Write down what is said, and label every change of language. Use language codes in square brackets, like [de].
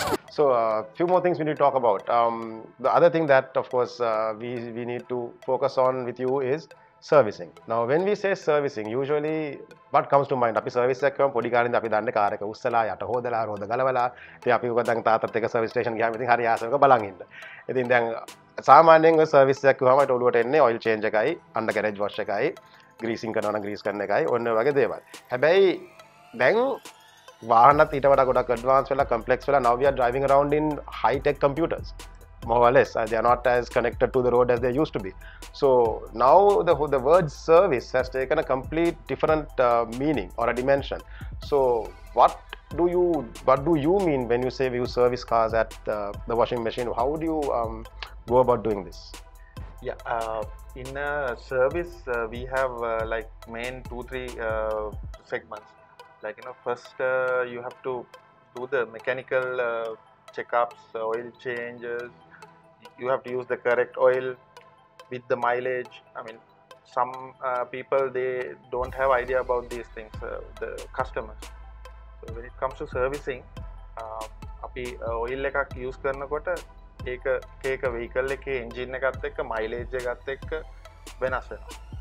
[en] So, a few more things we need to talk about. The other thing that, of course, we need to focus on with you is servicing. Now, when we say servicing, usually what comes to mind? [si] අපි service එකක් කරමු පොඩි කාලේ ඉඳන් අපි දන්නේ car එක උස්සලා යට හොදලා රෝද ගලවලා ඉතින් අපි උග දැන් තාත්තත් එක්ක සර්විස් ස්ටේෂන් ගියාම ඉතින් හරි ආසනක බලන් ඉන්න. ඉතින් දැන් සාමාන්‍යයෙන් ඔය සර්විස් එකක් කරාම ඒ ඔළුවට එන්නේ ඔයිල් චේන්ජ් එකයි අන්ඩර් ගැරේජ් වොෂ් එකයි ග්‍රීසිං කරනවා නම් ග්‍රීස් කරන එකයි ඔන්න වගේ දේවල්. හැබැයි දැන් වාහනත් ඊට වඩා ගොඩක් ඇඩ්වාන්ස් වෙලා කම්ප්ලෙක්ස් වෙලා [en] now we are driving around in high tech computers. More or less, they are not as connected to the road as they used to be. So now the word service has taken a complete different meaning or a dimension. So what do you mean when you say you service cars at the washing machine? How do you go about doing this? Yeah, in a service we have like main two three segments. Like you know, first you have to do the mechanical checkups, oil changes. You have to use the correct oil with the mileage. I mean, some people, they don't have idea about these things, the customers. So when it comes to servicing, [si] අපි oil එකක් use කරනකොට ඒක ඒක vehicle එකේ engine එකත් එක්ක mileage එකත් එක්ක වෙනස් වෙනවා.